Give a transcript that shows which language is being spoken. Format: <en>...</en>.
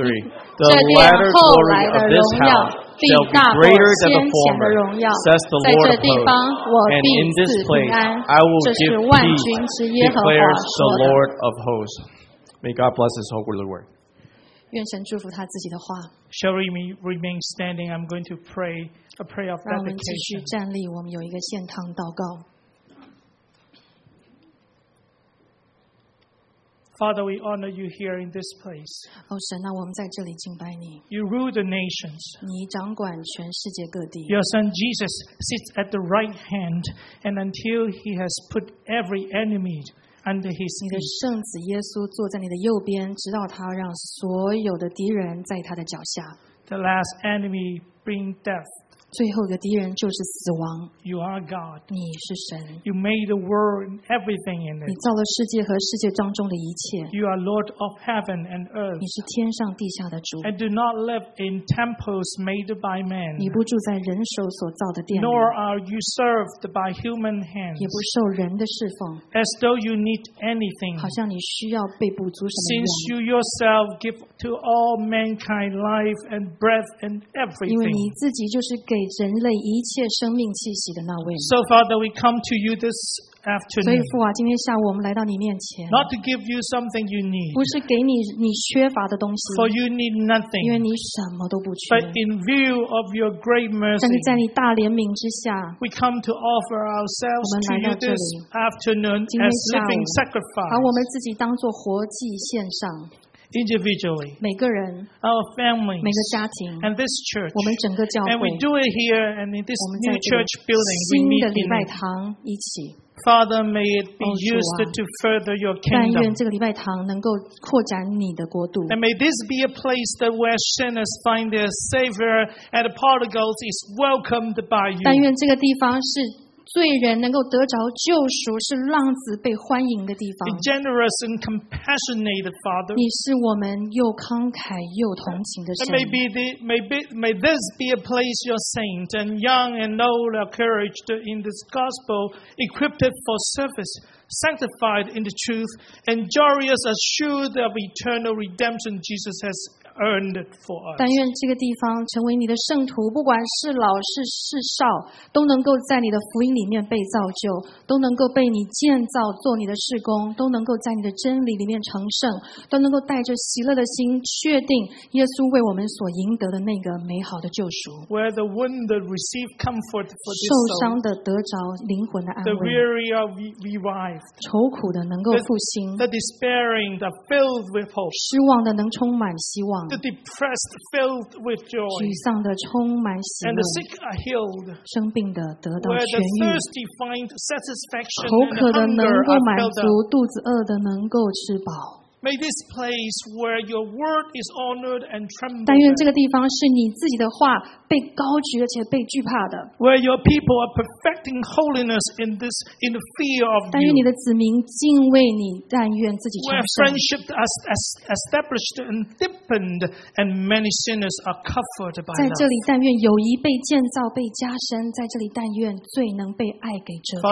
<en>The latter glory of this house shall be greater than the former, says the Lord of hosts. And in this place, I will give peace, declares the Lord of hosts. May God bless His holy word.</en> <zh>愿神祝福他自己的话。</zh> <en>Shall we remain standing? I'm going to pray a prayer of dedication.</en> <zh>让我们继续站立, 我们有一个献堂祷告。</zh> <en>Father, we honor you here in this place.</en> <zh>Oh, 神, 那我们在这里敬拜你。</zh> <en>You rule the nations.</en> <zh>你掌管全世界各地。</zh> <en>Your Son Jesus sits at the right hand, and until He has put every enemy under His feet.</en> <zh>你的圣子耶稣坐在你的右边, 直到他让所有的敌人在他的脚下。</zh> <en>The last enemy brings death.</en> <zh>最后的敌人就是死亡。</zh> <en>You are God.</en> <zh>你是神。</zh> <en>You made the world and everything in it.</en> <zh>你造了世界和世界当中的一切。</zh> <en>You are Lord of heaven and earth.</en> <zh>你是天上地下的主。</zh> <en>And do not live in temples made by man.</en> <zh>你不住在人手所造的殿里。</zh> <en>Nor are you served by human hands.</en> <zh>也不受人的侍奉。</zh> <en>As though you need anything.</en> <zh>好像你需要被补足什么用。</zh> <en>Since you yourself give to all mankind life and breath and everything.</en> <zh>因为你自己就是给给人类一切生命气息的那位。</zh> <en>So Father, we come to you this afternoon.</en> <zh>所以父啊，今天下午我们来到你面前。</zh> <en>Not to give you something you need.</en> <zh>不是给你你缺乏的东西。</zh> <en>For you need nothing.</en> <zh>因为你什么都不缺。</zh> <en>But in view of your great mercy.</en> <zh>但是在你大怜悯之下。</zh> <en>We come to offer ourselves to you this afternoon as living sacrifice.</en> <zh>把我们自己当作活祭献上。</zh> <en>Individually,</en> <zh>每个人</zh> <en>our families,</en> <zh>每个家庭</zh> <en>and this church,</en> <zh>我们整个教会</zh> <en>and we do it here and in this new church building,</en> <zh>新的礼拜堂一起</zh> <en>Father, may it be used to further your kingdom.</en> <zh>但愿这个礼拜堂能够扩展你的国度</zh> <en>and may this be a place that where sinners find their savior and the prodigals is welcomed by you.</en> <zh>但愿这个地方是罪人能够得着救赎，是浪子被欢迎的地方。</zh> <en>Generous and compassionate Father,</en> <zh>你是我们又慷慨又同情的神。</zh> <en>May this be a place your saint and young and old are encouraged in this gospel, equipped for service, sanctified in the truth, and joyous assured of eternal redemption Jesus has earned it for us.</en> <zh>但愿这个地方成为你的圣徒，不管是老是是少，都能够在你的福音里面被造就，都能够被你建造做你的事工，都能够在你的真理里面成圣，都能够带着喜乐的心，确定耶稣为我们所赢得的那个美好的救赎。</zh> <en>Where the wounded receive comfort for this soul,</en> <zh>受伤的得着灵魂的安慰。</zh> <en>The weary are revived,</en> <zh>愁苦的能够复兴。</zh> <en>The despairing are filled with hope,</en> <zh>失望的能充满希望。</zh> <en>The depressed filled with joy,</en> <zh>沮丧的充满喜乐。</zh> <en>And the sick are healed,</en> <zh>生病的得到痊愈。</zh> <en>Where the thirsty find satisfaction,</en> <zh>口渴的能够满足，肚子饿的能够吃饱。</zh> <en>May this place where your word is honored and trembled.</en> <zh>但愿这个地方是你自己的话被高举而且被惧怕的。</zh> <en>Where your people are perfecting holiness in this in the fear of you.</en> <zh>但愿你的子民敬畏你，但愿自己成圣。</zh> <en>Where friendship is established and deepened, and many sinners are covered by love.</en> <zh>在这里，但愿友谊被建造、被加深；在这里，但愿罪能被爱给遮盖。</zh>